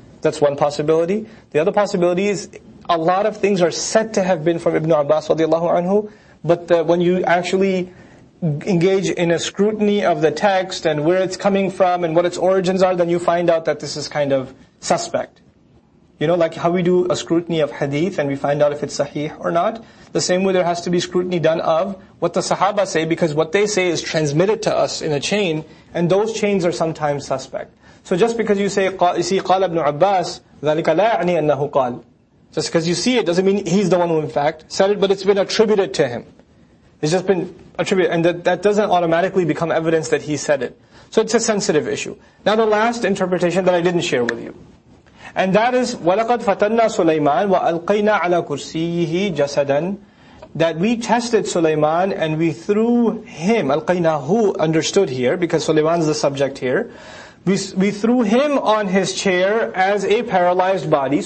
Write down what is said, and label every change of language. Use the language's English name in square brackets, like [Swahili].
[English] That's one possibility. The other possibility is a lot of things are said to have been from Ibn Abbas radiallahu anhu, but when you actually engage in a scrutiny of the text and where it's coming from and what its origins are, then you find out that this is kind of suspect. You know, like how we do a scrutiny of hadith and we find out if it's sahih or not. The same way there has to be scrutiny done of what the sahaba say, because what they say is transmitted to us in a chain, and those chains are sometimes suspect. So just because you say, you see, [Arabic] قال ابن عباس, ذلك لا يعني أنه قال. [English] Just because you see it doesn't mean he's the one who in fact said it, but it's been attributed to him. It's just been attributed, and that doesn't automatically become evidence that he said it. So it's a sensitive issue. Now the last interpretation that I didn't share with you. And that is, [Arabic] وَلَقَدْ فَتَنَّا سُلَيْمَانَ وَأَلْقَيْنَا عَلَىٰ كُرْسِيهِ جَسَدًا, [English] that we tested Sulaiman and we threw him, أَلْقَيْنَا, who understood here, because Sulaiman is the subject here, we threw him on his chair as a paralyzed body.